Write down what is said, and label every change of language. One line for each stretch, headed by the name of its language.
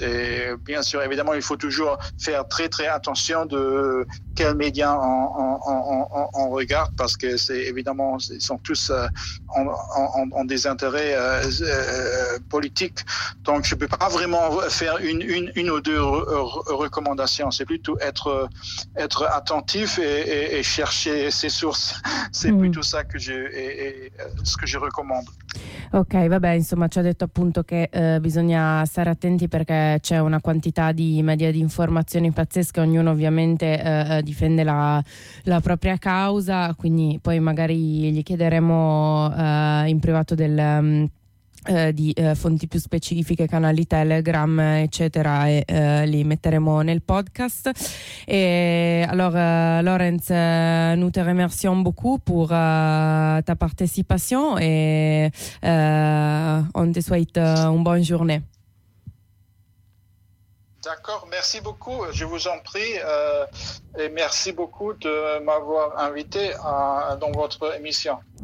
French: Et bien sûr, évidemment, il faut toujours faire très très attention de quels médias on regarde, parce que c'est évidemment, ils sont tous en des intérêts politiques. Donc je ne peux pas vraiment faire une ou deux recommandations. C'est plutôt être attentif et chercher ses sources. C'est plutôt ça que ce que je recommande.
Italian: Ok, vabbè, insomma, ci ha detto appunto che bisogna stare attenti, perché c'è una quantità di media di informazioni pazzesche, ognuno ovviamente difende la propria causa, quindi poi magari gli chiederemo in privato di fonti più specifiche, canali Telegram eccetera, e li metteremo nel podcast. E allora
French: Lorenz, nous te remercions beaucoup pour ta participation et on te souhaite une bonne journée. D'accord, merci beaucoup, je vous en prie, et merci beaucoup de m'avoir invité à, dans votre émission.